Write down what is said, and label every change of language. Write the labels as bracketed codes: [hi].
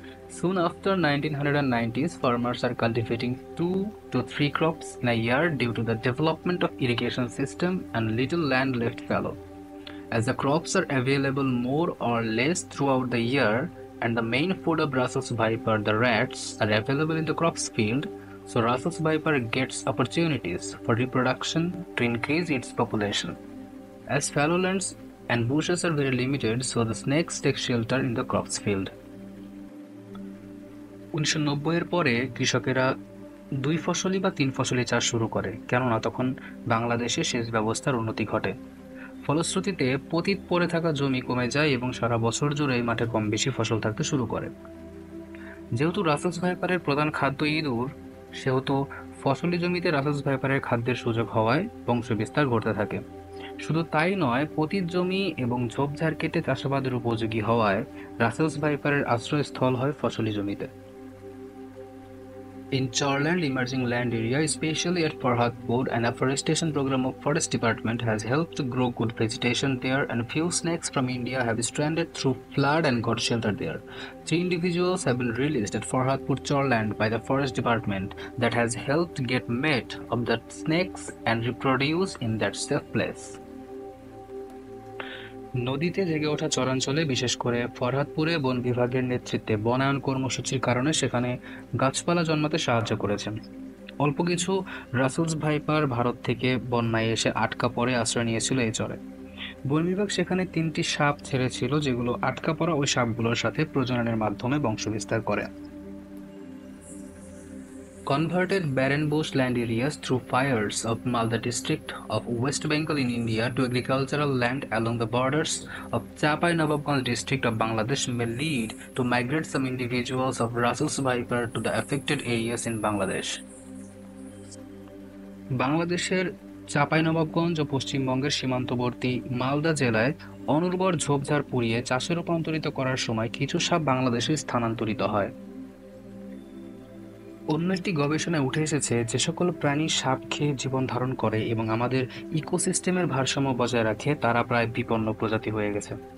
[en] Soon after 1990s, farmers are cultivating two to three crops in a year due to the development of irrigation system and little land left fallow as the crops are available more or less throughout the year and the main food of Brussels viper, the rats, are available in the crops field, so Brussels viper gets opportunities for reproduction to increase its population. As fallow lands and bushes are very limited, so the snakes take shelter in the crops field. [bn] 1990 এর পরে কৃষকেরা দুই ফসলি বা তিন ফসলি চাষ শুরু করে, কেননা তখন বাংলাদেশে সেচ ব্যবস্থার উন্নতি ঘটে। ফলশ্রুতিতে পতিত পড়ে থাকা জমি কমে যায় এবং সারা বছর জুড়ে মাঠে কম বেশি ফসল থাকতে শুরু করে। যেহেতু রাসেলস ভাইপারের প্রধান খাদ্য ইঁদুর, সেহেতু ফসলি জমিতে রাসেলস ভাইপারের খাদ্যের সুযোগ হওয়ায় বংশবিস্তার ঘটতে থাকে। শুধু তাই নয়, পতিত জমি এবং ঝোপঝাড় কেটে চাষাবাদের উপযোগী হওয়ায় রাসেলস ভাইপারের আশ্রয়স্থল হয় ফসলি জমিতে। [en] In Chorland emerging land area, especially at Farhatpur, an afforestation program of Forest Department has helped grow good vegetation there and few snakes from India have stranded through flood and got shelter there. Three individuals have been released at Farhatpur Chorland by the Forest Department that has helped get mate of the snakes and reproduce in that safe place. [bn] নদীতে জেগে ওঠা চরাঞ্চলে, বিশেষ করে ফরহাদপুরে বন বিভাগের নেতৃত্বে বনায়ন কর্মসূচির কারণে সেখানে গাছপালা জন্মাতে সাহায্য করেছেন। অল্প কিছু রাসেলস ভাইপার ভারত থেকে বন্যায় এসে আটকা পড়ে আশ্রয় নিয়েছিল এই চরে। বন বিভাগ সেখানে তিনটি সাপ ছেড়েছিল যেগুলো আটকা পড়া ওই সাপগুলোর সাথে প্রজননের মাধ্যমে বংশবিস্তার করে। [en] Converted barren bushland areas through fires of Malda district of West Bengal in India to agricultural land along the borders of Chapai Nawabganj district of Bangladesh may lead to migrate some individuals of Russell's viper to the affected areas in Bangladesh. [bn] বাংলাদেশের চাপাই নবাবগঞ্জ ও পশ্চিমবঙ্গের সীমান্তবর্তী মালদা জেলায় অনুর্বর ঝোপঝাড় পুড়িয়ে চাষে রূপান্তরিত করার সময় কিছু সাপ বাংলাদেশে স্থানান্তরিত হয়। অন্য একটি গবেষণায় উঠে এসেছে যে সকল প্রাণী সাপ খেয়ে জীবন ধারণ করে এবং আমাদের ইকোসিস্টেমের ভারসাম্য বজায় রাখে, তারা প্রায় বিপন্ন প্রজাতি হয়ে গেছে।